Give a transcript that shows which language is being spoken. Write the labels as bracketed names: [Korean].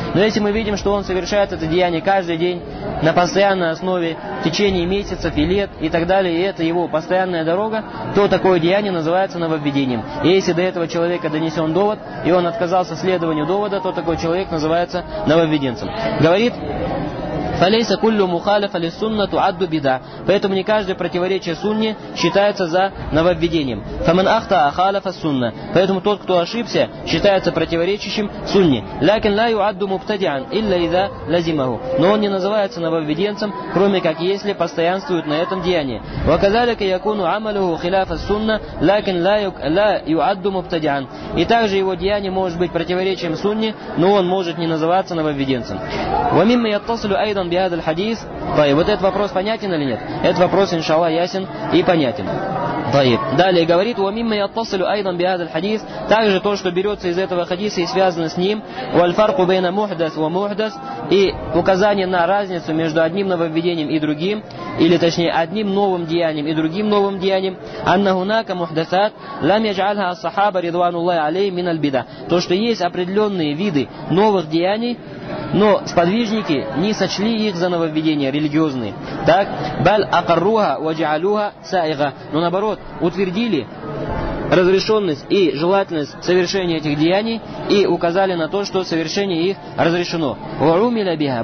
[Russian] Но если мы видим, что он совершает это деяние каждый день, на постоянной основе, в течение месяцев и лет и так далее, и это его постоянная дорога, то такое деяние называется нововведением. И если до этого человека донесен довод, и он отказался следованию довода, то такой человек называется нововведенцем. Говорит... [Arabic] فليس كل مخالف للسنة تعد بدعة. [Russian] Поэтому не каждое противоречие сунне считается за нововведением. [Arabic] فمن أخطأ خالف السنة. [Russian] Поэтому тот, кто ошибся, считается противоречащим сунне. [Arabic] لكن لا يعد مبتدعا إلا إذا لزمه. [Russian] Но он не называется нововведенцем, кроме как если постоянствует на этом деянии. [Arabic] وكذلك يكون عمله خلاف السنة لكن لا يعد مبتدعا. [Russian] И также его деяние может быть противоречием сунне, но он может не называться нововведенцем. [Arabic] ومما يتصل أيضا بهذا الحديث. [Russian] طيب, вот этот вопрос понятен или нет? Этот вопрос, иншаллах, ясен и понятен. [Arabic] طيب. [Russian] Далее говорит: [Arabic] ومما يتصل أيضا بهذا الحديث. [Russian] Также то, что берется из этого хадиса и связано с ним. [Arabic] والفرق بين محدث ومحدث. [Russian] И указание на разницу между одним нововведением и другим, или точнее одним новым деянием и другим новым деянием. [Arabic] أن هناك محدثات لم يجعلها الصحابة رضوان الله عليهم من البدع. [Russian] То, что есть определенные виды новых деяний, но сподвижники не сочли их за нововведения религиозные. Так, [Arabic] «Баль акарруха ваджаалюха саига». [Russian] Но наоборот, утвердили разрешенность и желательность совершения этих деяний и указали на то, что совершение их разрешено. [Arabic] «Варумиля биха».